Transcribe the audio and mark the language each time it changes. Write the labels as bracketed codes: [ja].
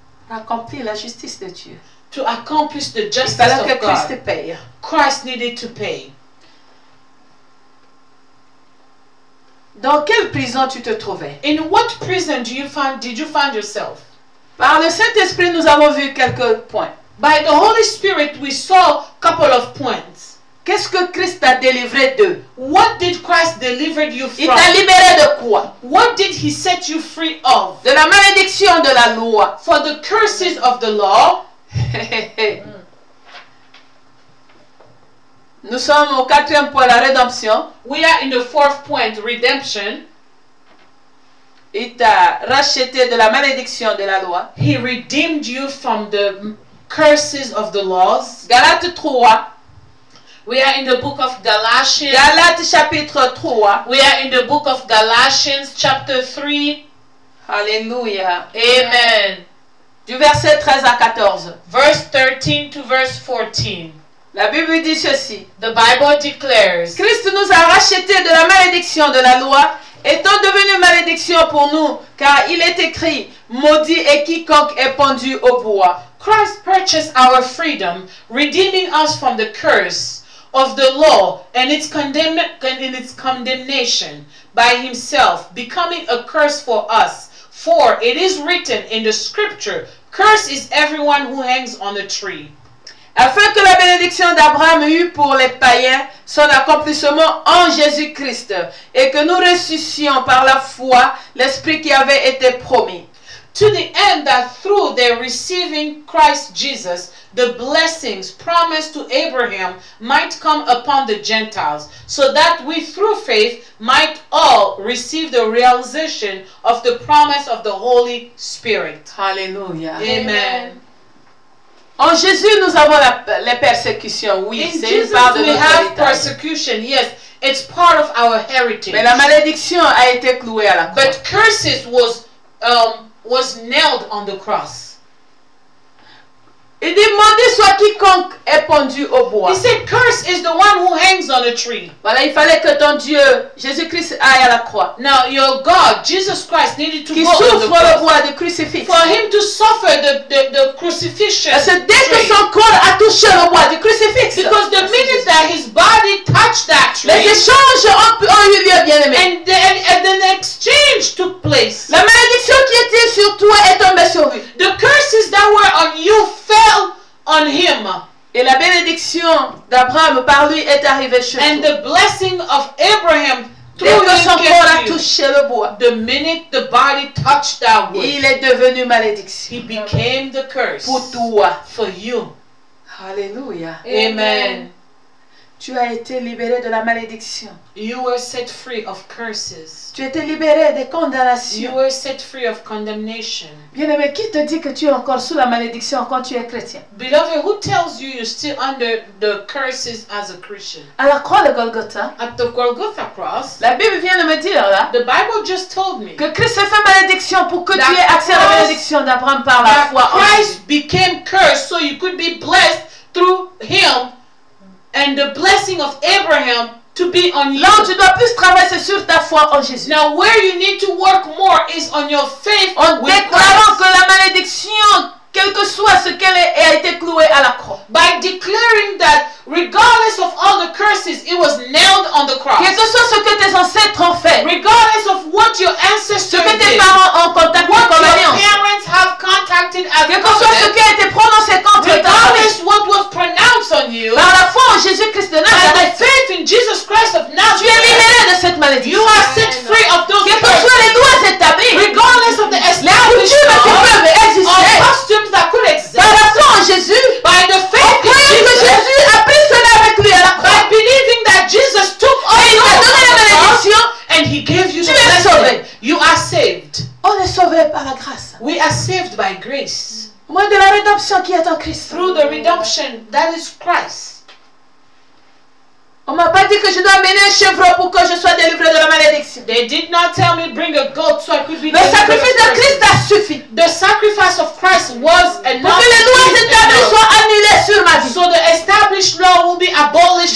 [fr] Accomplir la justice de Dieu. [en] To accomplish the justice of Christ God. [fr] Paye. [en] Christ needed to pay. [fr] Dans quelle prison tu te trouvais? [en] In what prison did you find yourself? [fr] Par le Saint-Esprit, nous avons vu quelques points. [en] By the Holy Spirit, we saw a couple of points. [fr] Qu'est-ce que Christ t'a délivré de? [en] What did Christ deliver you from? [fr] Il t'a libéré de quoi? [en] What did he set you free of? [fr] De la malédiction de la loi. [en] For the curses of the law. [fr] Nous sommes au quatrième point, la rédemption. [en] We are in the fourth point, redemption. [fr] Il t'a racheté de la malédiction de la loi. [en] He redeemed you from the curses of the laws. [fr] Galates 3. [en] We are in the book of Galatians. [fr] Galates chapitre 3. [en] We are in the book of Galatians chapter 3. [fr] Alléluia. [en] Amen. [fr] Du verset 13 à 14. [en] Verse 13 to verse 14. [fr] La Bible dit ceci. [en] The Bible declares. [fr] Christ nous a rachetés de la malédiction de la loi, étant devenu malédiction pour nous, car il est écrit, maudit est quiconque est pendu au bois. [en] Christ purchased our freedom, redeeming us from the curse. of the law and its condemnation by himself, becoming a curse for us. For it is written in the scripture, cursed is everyone who hangs on a tree. [fr] Afin que la bénédiction d'Abraham eut pour les païens son accomplissement en Jésus-Christ, et que nous reçussions par la foi l'esprit qui avait été promis. [en] To the end that through their receiving Christ Jesus, the blessings promised to Abraham might come upon the Gentiles, so that we through faith might all receive the realization of the promise of the Holy Spirit. Hallelujah. Amen. [fr] En Jésus, nous avons les persécutions. Oui, c'est une part de notre héritage. [en] In Jesus, we have persecution. Yes, it's part of our heritage. [fr] Mais la malédiction a été clouée à la croix. [en] But curses was nailed on the cross. [fr] Il dit, maudit soit quiconque est pendu au bois. [en] He said, curse is the one who hangs on a tree. [fr] Voilà, il fallait que ton Dieu, Jésus-Christ, aille à la croix. [en] Now, your God, Jesus Christ, needed to [fr] qui [en] go on the cross. [fr] Qui souffre le bois du crucifix. [en] For him to suffer the crucifixion. [fr] Parce que dès que son corps a touché le bois du crucifix. [en] Because the minute that his body touched that tree. [fr] Les échanges ont eu lieu, bien-aimé. [en] And then the exchange took place. [fr] La malédiction qui était sur toi est tombée sur lui. [en] The curses that were on you fell on him. [fr] Et la bénédiction d'Abraham par lui est arrivée chez toi. [en] And the blessing of Abraham [fr] through dès que son corps a touché le bois. [en] The minute the body touched that wood. [fr] Il est devenu malédiction. [en] He became the curse. [fr] Pour toi. [en] For you. Hallelujah. Amen. Amen. [fr] Tu as été libéré de la malédiction. [en] You were set free of curses. [fr] Tu étais libéré des condamnations. [en] You were set free of condemnation. [fr] Bien-aimé, qui te dit que tu es encore sous la malédiction quand tu es chrétien? [en] Beloved, who tells you you're still under the curses as a Christian? [fr] À la croix de Golgotha. [en] At the Golgotha cross. [fr] La Bible vient de me dire là. [en] The Bible just told me. [fr] Que Christ a fait malédiction pour que tu aies accès à la bénédiction d'Abraham par la foi. [en] Christ became cursed so you could be blessed through him. And the blessing of Abraham to be on you. [fr] Là, tu dois plus travailler, c'est sur ta foi en Jésus. [en] Now, where you need to work more is on your faith. [fr] En déclarant que la malédiction, quel que soit ce qu'elle ait, a été clouée à la croix. [en] By declaring that, regardless of all the curses, it was nailed on the cross. [fr] Quel que soit ce que tes ancêtres ont fait. [en] Regardless of what your ancestors [fr] ce que tes parents ont contacté. [en] What your parents have contacted as [fr] quel que soit ce qui a été prononcé contre toi. [en] Regardless what was pronounced on you. [fr] Par la foi en Jésus Christ de Nazareth. [en] By the faith in Jesus Christ of Nazareth. [fr] Tu es libéré de cette maladie. [en] You are set free of those curses. [fr] Quel que soit les lois établies. [en] Regardless of the established laws. That could exist. [fr] Par la foi en Jésus, [en] by the faith [fr] en [en] Jesus, [fr] que Jésus a pris cela avec lui à la croix, [en] by believing that Jesus took all [fr] et il t'a donné la bénédiction, [en] and he gave you [fr] tu es sauvé. [en] You are saved. [fr] On est sauvé par la grâce. [en] We are saved by grace. [fr] Au moyen de la rédemption qui est en Christ. [en] Through the redemption that is Christ. [fr] On m'a pas dit que je dois mener un chevreau pour que je sois délivré de la malédiction. [en] They did not tell me bring a goat so I could be. [fr] Le sacrifice de Christ a suffi. [en] The sacrifice of Christ was enough. [fr] Pour que les lois établies soient annulées sur ma vie. [en] So the established law will be abolished.